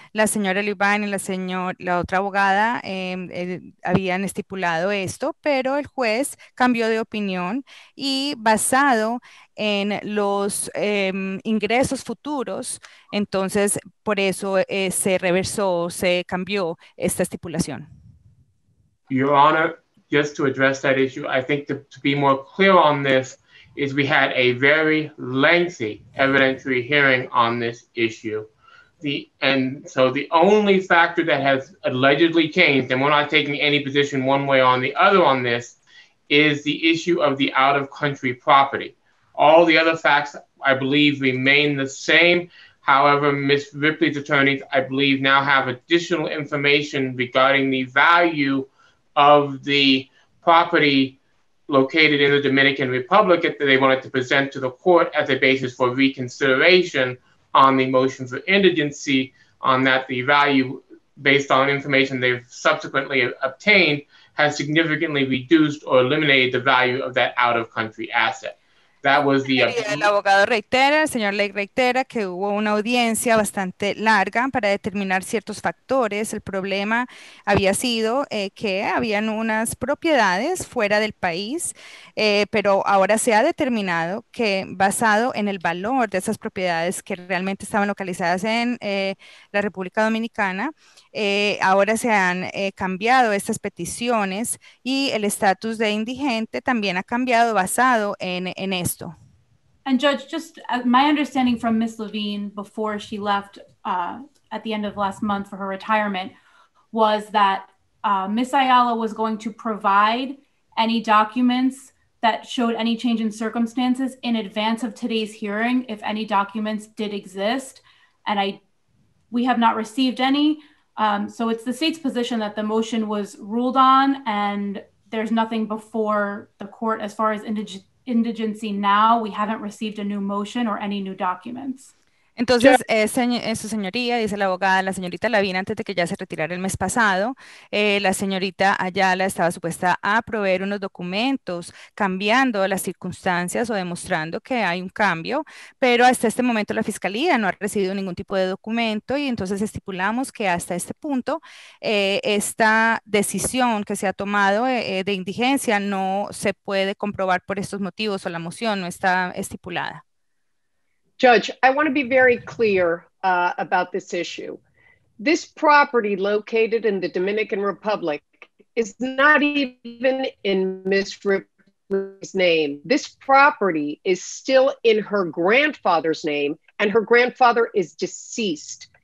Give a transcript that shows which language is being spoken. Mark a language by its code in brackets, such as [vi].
[es] La señora Levine y la otra abogada habían estipulado esto, pero el juez cambió de opinión y basado en los ingresos futuros, entonces por eso se reversó, se cambió esta estipulación. [en] Your Honor, just to address that issue, I think to be more clear on this is we had a very lengthy evidentiary hearing on this issue. And so the only factor that has allegedly changed, and we're not taking any position one way or the other on this, is the issue of the out-of-country property. All the other facts, I believe, remain the same. However, Ms. Ripley's attorneys, I believe, now have additional information regarding the value of the property located in the Dominican Republic that they wanted to present to the court as a basis for reconsideration on the motion for indigency, on that the value based on information they've subsequently obtained has significantly reduced or eliminated the value of that out of country asset. That was the [es] El abogado reitera, el señor Lake reitera que hubo una audiencia bastante larga para determinar ciertos factores. El problema había sido que habían unas propiedades fuera del país, pero ahora se ha determinado que basado en el valor de esas propiedades que realmente estaban localizadas en la República Dominicana, ahora se han cambiado estas peticiones y el estatus de indigente también ha cambiado basado en eso. [en] And Judge, just my understanding from Ms. Levine before she left at the end of last month for her retirement was that Ms. Ayala was going to provide any documents that showed any change in circumstances in advance of today's hearing if any documents did exist. And we have not received any. So it's the state's position that the motion was ruled on and there's nothing before the court as far as indigency now, we haven't received a new motion or any new documents. [es] Entonces, su señoría, dice la abogada, la señorita Lavín, antes de que ya se retirara el mes pasado, la señorita Ayala estaba supuesta a proveer unos documentos cambiando las circunstancias o demostrando que hay un cambio, pero hasta este momento la fiscalía no ha recibido ningún tipo de documento y entonces estipulamos que hasta este punto esta decisión que se ha tomado de indigencia no se puede comprobar por estos motivos o la moción no está estipulada. [en] Judge, I want to be very clear about this issue. This property located in the Dominican Republic is not even in Ms. Ripley's name. This property is still in her grandfather's name, and her grandfather is deceased.